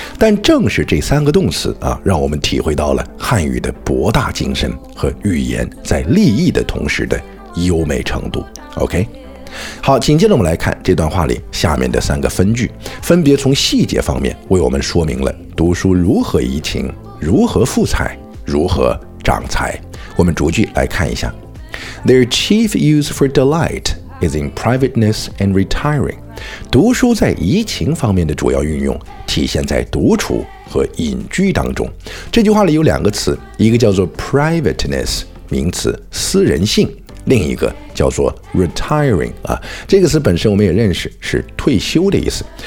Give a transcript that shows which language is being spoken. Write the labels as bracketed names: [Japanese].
[Chinese] 但正是这三个动词啊，让我们体会到了汉语的博大精深和语言在立意的同时的优美程度。 OK，好，紧接着我们来看这段话里下面的三个分句，分别从细节方面为我们说明了读书如何怡情，如何富才，如何长才。我们逐句来看一下。 [English] Their chief use for delight is in privateness and retiring. [Chinese] 读书在怡情方面的主要运用体现在独处和隐居当中。这句话里有两个词，一个叫做 privateness， 名词，私人性，另一个叫做 retiring 啊，这个词本身我们也认识，是退休的意思。